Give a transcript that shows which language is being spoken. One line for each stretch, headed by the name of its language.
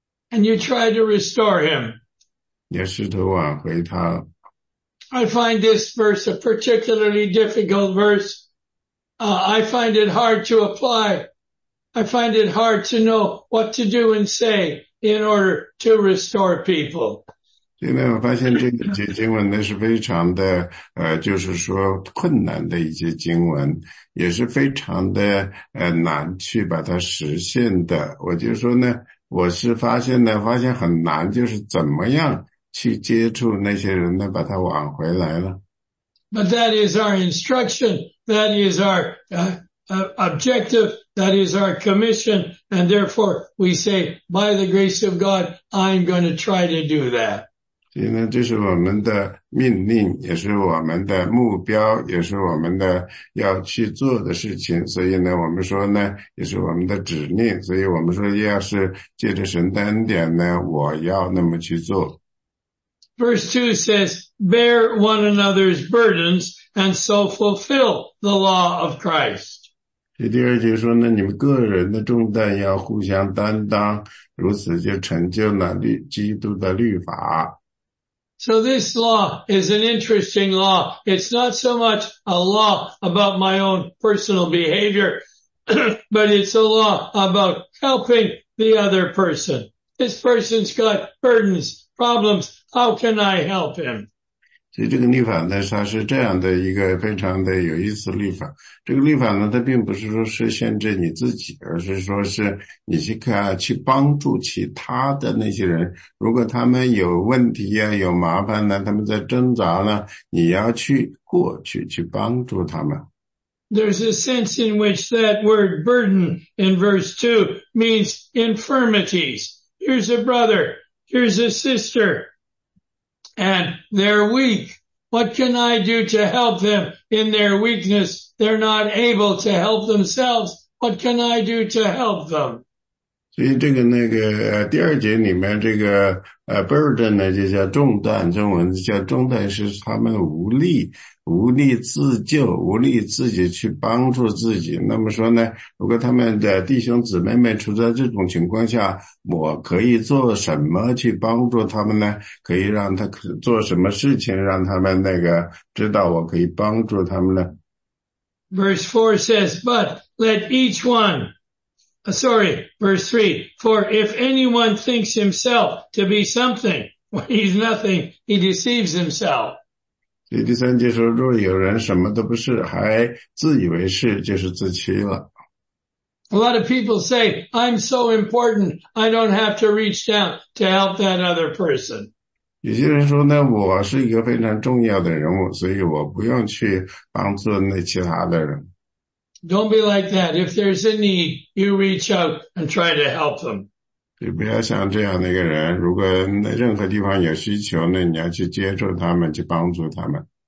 English: And you try to restore him.
Chinese: 你要试图挽回他。
English: I find this verse a particularly difficult verse. I find it hard to apply. I find it hard to know what to do and say. In order to restore people.
Chinese: 因为我发现这节经文呢是非常的就是说困难的一节经文也是非常的难去把它实现的。我就说呢我是发现很难就是怎么样去接触那些人呢把它挽回来了。
English: But that is our instruction, that is our, objective. That is our commission, and therefore we say, by the grace of God, I'm going to try to do that.
Chinese: 所以呢，这是我们的命令，也是我们的目标，也是我们的要去做的事情。所以呢，我们说呢，也是我们的指令。所以我们说，要是借着神的恩典呢，我要那么去做。
English: Verse 2 says, bear one another's burdens and so fulfill the law of Christ.
Chinese: 第二节说呢，你们个人的重担要互相担当，如此就成就了基督的律法。
English: So this law is an interesting law. It's not so much a law about my own personal behavior, but it's a law about helping the other person. This person's got burdens, problems. How can I help him?
Chinese: 所以这个律法呢，它是这样的一个非常的有意思的律法。这个律法呢，它并不是说是限制你自己，而是说是你去看，去帮助其他的那些人。如果他们有问题啊，有麻烦呢，他们在挣扎呢，你要去过去，去帮助他们。
English: There's a sense in which that word burden in verse 2 means infirmities. Here's a brother. Here's a sister. And they're weak. What can I do to help them in their weakness? They're not able to help themselves. What can I do to help them?
Chinese: 所以这个那个第二节里面这个burden 呢就叫重担，中文叫重担，是他们无力，无力自救，无力自己去帮助自己。那么说呢，如果他们的弟兄姊妹们处在这种情况下，我可以做什么去帮助他们呢？可以让他做什么事情让他们那个知道我可以帮助他们呢？
English: Verse 4 says, but let each one, verse 3, for if anyone thinks himself to be something, when he's nothing, he deceives himself.
Chinese: 所以第三节说，若有人什么都不是，还自以为是，就是自欺了。
English: A lot of people say, I'm so important, I don't have to reach down to help that other person.
Chinese: 有些人说呢，我是一个非常重要的人物，所以我不用去帮助那其他的人。
English: Don't be like that. If there's a need, you reach out and try to help them.
Chinese: 你不要像这样的一个人，如果任何地方有需求呢，你要去接触他们，去帮助他们。